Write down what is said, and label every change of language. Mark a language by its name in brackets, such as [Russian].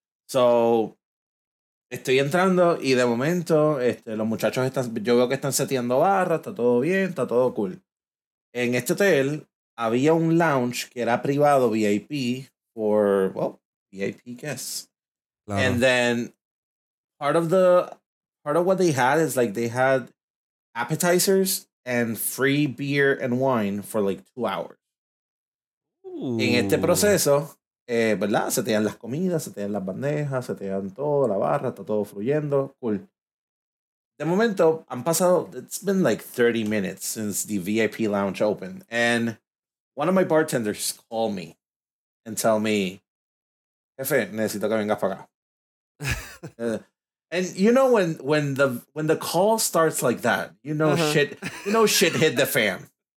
[Spanish] So, estoy entrando y de momento los muchachos están... Yo veo que están seteando barras, está todo bien, está todo cool. En este hotel había un lounge que era privado VIP [English] for, VIP guests. [Spanish] Claro. [English] And then part of what they had is like they had appetizers and free beer and wine for like 2 hours. Ooh. [Spanish] En este proceso, ¿verdad? Se te dan las comidas, se te dan las bandejas, se te dan todo, la barra, está todo fluyendo. [English] Cool. [Spanish] De momento, han pasado, [English] it's been like 30 minutes since the VIP lounge opened. And one of my bartenders call me and tell me, [Spanish] jefe, necesito que vengas para acá. [English] And you know when the call starts like that, you know shit hit the fan.